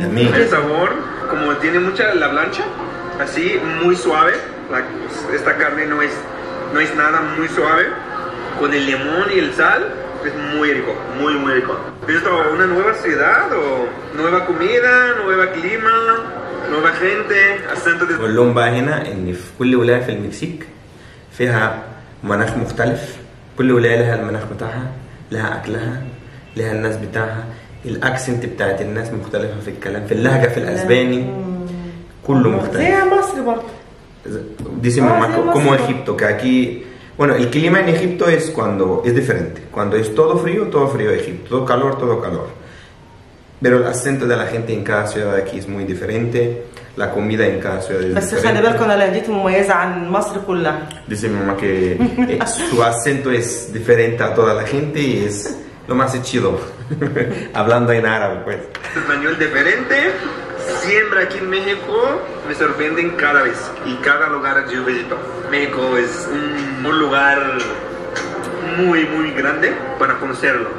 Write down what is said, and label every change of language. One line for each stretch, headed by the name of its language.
Spanish: El sabor, como tiene mucha la plancha, así, muy suave. Esta carne no es nada, muy suave. Con el limón y el sal, es muy rico, muy, muy rico. ¿Es esto una nueva ciudad o nueva comida, nuevo clima, nueva gente? Acento de... Colomba, ajena, en
Arabic: كل ولايه في المكسيك فيها مناخ مختلف. كل ولايه لها المناخ بتاعها, لها اكلها, لها الناس بتاعها. الاكسنت بتاعت الناس مختلفة في الكلام, في اللهجة, في الاسباني, كله مختلف. زي مصر برضه.
Spanish: Dice mi mamá, como Egipto, que aquí, bueno, el clima en Egipto es cuando es diferente. Cuando es todo frío Egipto, todo calor, todo calor. Pero el acento de la gente en cada ciudad aquí es muy diferente. La comida en cada ciudad es diferente.
Arabic: بس خلي بالك انا لهجتي مميزة عن مصر كلها.
Spanish: Dice mi mamá que su acento es diferente a toda la gente y es lo más chido. Hablando en árabe, pues. Español diferente. Siempre aquí en México me sorprenden cada vez y cada lugar que yo visito. México es un lugar muy, muy grande para conocerlo.